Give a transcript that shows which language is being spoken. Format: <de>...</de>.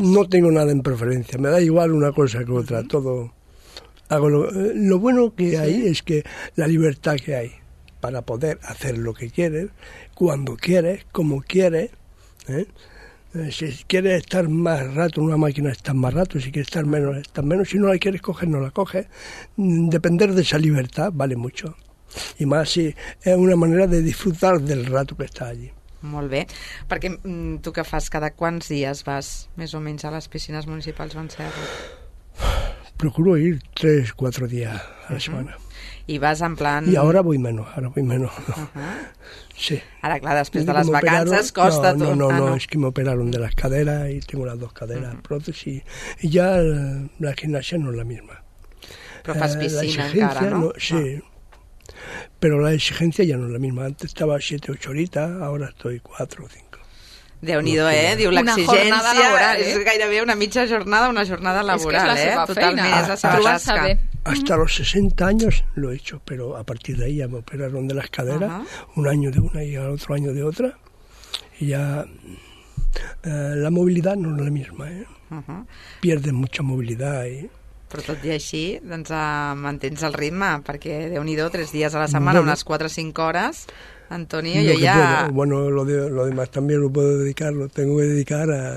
<es>No tengo nada en preferencia. Me da igual una cosa que otra. Todo hago lo bueno que hay es que la libertad que hay para poder hacer lo que quieres, cuando quieres, como quieres, ¿eh? Si quieres estar más rato en una máquina, estás más rato. Si quieres estar menos, estás menos. Si no la quieres coger, no la coges. Depender de esa libertad vale mucho. Y más si es una manera de disfrutar del rato que estás allí.</es> <ca>Molt bé. Perquè tu que fas, cada quants dies vas més o menys a les piscines municipals on serà?</ca> <es>Procuro ir</es> <ca>3-4 dies a la setmana. I vas en plan... I ara vull menys, ara vull menys. Sí. Ara, clar, després de les vacances costa tot. No, és que m'operaron de les caderes i tinc les dues caderes pròtesis. I ja la gimnàsia no és</ca> <es>la misma.</es> <ca>Però fas piscina encara, no? Sí. Però la exigència ja no és</ca> <es>la misma. Antes</es> <ca>estava</ca> <es>7-8 horitas,</es> <ca>ara</ca> <es>estoy 4-5.</es> <ca>Déu-n'hi-do, no, Diu l'exigència. És gairebé una mitja jornada, una jornada laboral, és que és la seva feina. Totalment, és la seva tasca.</ca> <es>Hasta los 60 años lo he hecho, pero a partir de ahí ya me operaron de las caderas, un año de una y al otro año de otra, y ya la movilidad no es la misma, pierdes mucha movilidad.</es> <ca>Però tot i així, doncs mantens el ritme, perquè déu-n'hi-do, 3 dies a la setmana, bueno, unes 4-5 hores, Antonio, jo ja...</ca> <es>Puedo. Bueno, lo demás también lo puedo dedicar, lo tengo que dedicar a...</es>